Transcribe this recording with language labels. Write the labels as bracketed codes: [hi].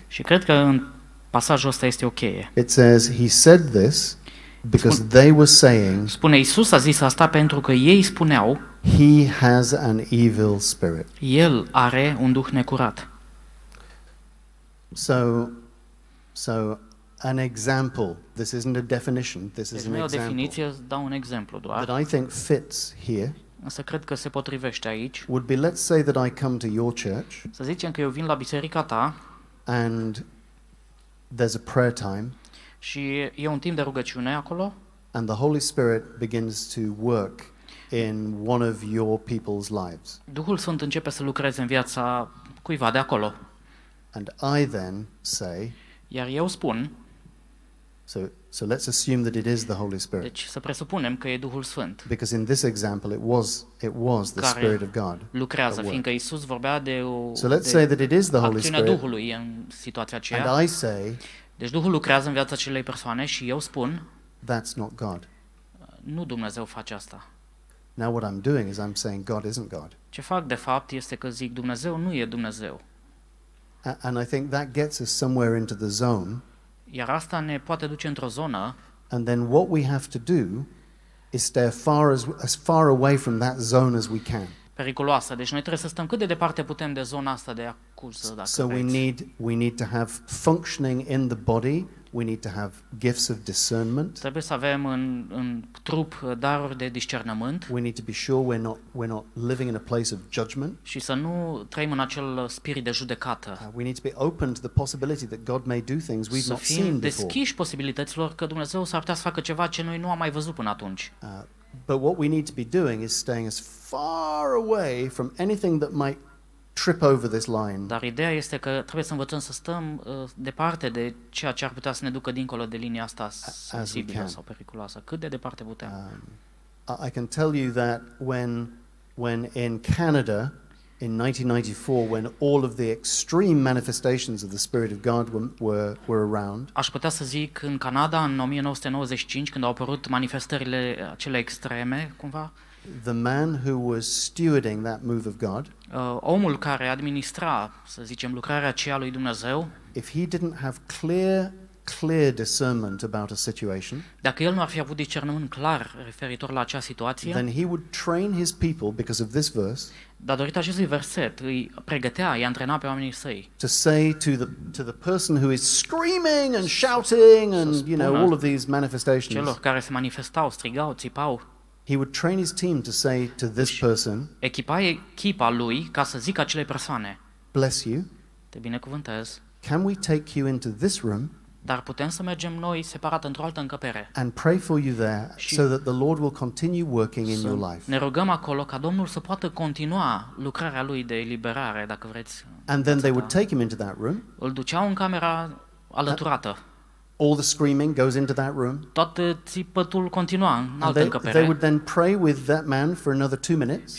[ro] Și cred că în pasajul ăsta este o cheie. [en] It says he said this because they were saying. [ro] Spune Iisus a zis asta pentru că ei spuneau. [en] He has an evil spirit. [ro] El are un duh necurat. [en] So an example. This isn't a definition. This is an example. [ro] O definiție, dau un exemplu doar. [en] That I think fits here. [ro] Să cred că se potrivește aici. [en] Would be let's say that I come to your church. [ro] Să zicem că eu vin la biserica ta. [en] And There's a prayer time. [ro] Și e un timp de rugăciune acolo. [en] And the Holy Spirit begins to work in one of your people's lives. [ro] Duhul Sfânt începe să lucreze în viața cuiva de acolo. [en] And I then say. [ro] Iar eu spun. [en] So let's assume that it is the Holy Spirit. [ro] Deci să presupunem că e Duhul Sfânt. [en] Because in this example it was the Spirit of God. [ro] Lucrează, fiindcă Iisus vorbea de o. [en] So let's say that it is the Holy Spirit. [ro] Acțiunea Duhului în situația aceea. [en] And I say. [ro] Deci Duhul lucrează în viața acelei persoane și eu spun. [en] That's not God. [ro] Nu Dumnezeu face asta. [en] Now what I'm doing is I'm saying God isn't God. [ro] Ce fac de fapt este că zic Dumnezeu nu e Dumnezeu. [en] And I think that gets us somewhere into the zone. [ro] Iar asta ne poate duce într-o zonă. [en] And then what we have to do is stay as far away from that zone as we can. [ro] Periculoasă, deci noi trebuie să stăm cât de departe putem de zona asta de acuză, dacă [en] so [ro] vreți. [en] we need to have functioning in the body. We need to have gifts of discernment. [ro] Trebuie să avem în trup daruri de discernământ. [en] We need to be sure we're not living in a place of judgment. [ro] Și să nu trăim în acel spirit de judecată. [en] We need to be open to the possibility that God may do things we've not seen before. [ro] Să fim deschiși posibilităților că Dumnezeu s-ar putea să facă ceva ce noi nu am mai văzut până atunci. [en] But what we need to be doing is staying as far away from anything that might trip over this line. [ro] Dar ideea este că trebuie să învățăm să stăm departe de ceea ce ar putea să ne ducă dincolo de linia asta sensibilă sau periculoasă, cât de departe putem. [en] I can tell you that when in Canada in 1994 when all of the extreme manifestations of the Spirit of God were around. [ro] Aș putea să zic în Canada în 1995 când au apărut manifestările acele extreme, cumva. [en] The man who was stewarding that move of God. [ro] Omul care administra, să zicem, lucrarea aceea lui Dumnezeu. [en] If he didn't have clear discernment about a situation. [ro] Dacă el nu ar fi avut discernământ clar referitor la acea situație. [en] Then he would train his people because of this verse. [ro] Datorită acestui verset, îi pregătea, îi antrena pe oamenii săi. [en] To say to the person who is screaming and shouting and you know all of these manifestations. [ro] Celor care se manifestau, strigau, țipau. [en] He would train his team to say to this person. [ro] Echipa lui ca să zică acelei persoane. [en] Bless you. [ro] Te binecuvântez. [en] Can we take you into this room? [ro] Dar putem să mergem noi separat într-o altă încăpere. [en] And pray for you there so that the Lord will continue working in your life. [ro] Ne rugăm acolo ca Domnul să poată continua lucrarea lui de eliberare, dacă vreți. [en] And then they would take him into that room. [ro] Îl duceau în camera alăturată. [en] All the screaming goes into that room. [ro] Tot țipătul continua în altă încăpere. [en] They would then pray with that man for another 2 minutes.